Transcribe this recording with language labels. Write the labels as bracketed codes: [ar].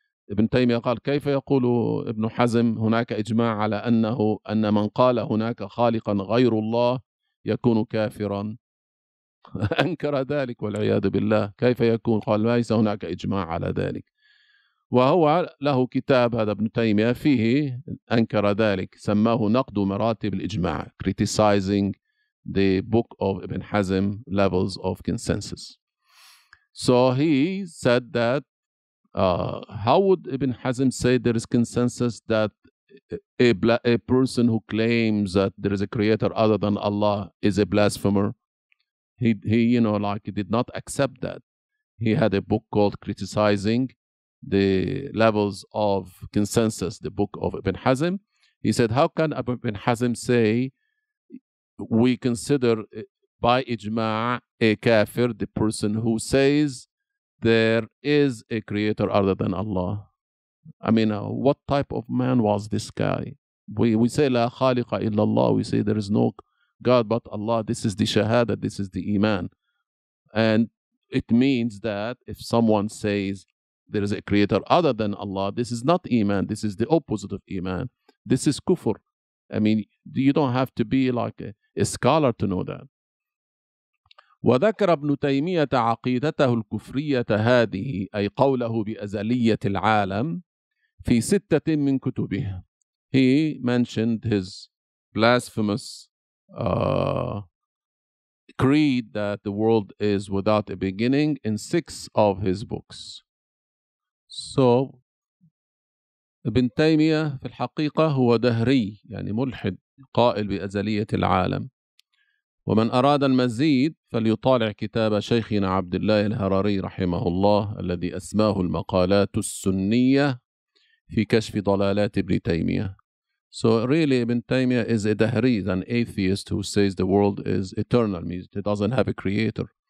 [ar] ابن تيمية قال كيف يقول ابن حزم هناك إجماع على أنه أن من قال هناك خالقا غير الله يكون كافرا؟ أنكر ذلك والعياذ بالله. كيف يكون؟ قال ليس هناك إجماع على ذلك. وهو له كتاب هذا ابن تيمية فيه أنكر ذلك, سماه نقد مراتب الإجماع, [en] criticizing the book of Ibn Hazm, Levels of Consensus. So he said that how would Ibn Hazm say there is consensus that a person who claims that there is a creator other than Allah is a blasphemer? He did not accept that. He had a book called Criticizing the Levels of Consensus, the book of Ibn Hazm. He said, how can Ibn Hazm say we consider by ijma' a kafir, the person who says there is a creator other than Allah? I mean, what type of man was this guy? We say [ar] la khaliqa illa Allah. [en] We say there is no God but Allah. This is the shahada. This is the iman. And it means that if someone says there is a creator other than Allah, this is not iman. This is the opposite of iman. This is kufr. I mean, you don't have to be like a scholar to know that. [ar] وذكر ابن تيمية عقيدته الكفرية هذه, أي قوله بأزلية العالم, في ستة من كتبه. [en] He mentioned his blasphemous creed that the world is without a beginning in six of his books. So [ar] ابن تيمية في الحقيقة هو دهري، يعني ملحد قائل بأزلية العالم. ومن أراد المزيد فليطالع كتاب شيخنا عبد الله الهراري رحمه الله الذي أسماه المقالات السنية في كشف ضلالات ابن تيمية. [en] So really Ibn Taymiyyah is a Dahri, an atheist who says the world is eternal, means it doesn't have a creator.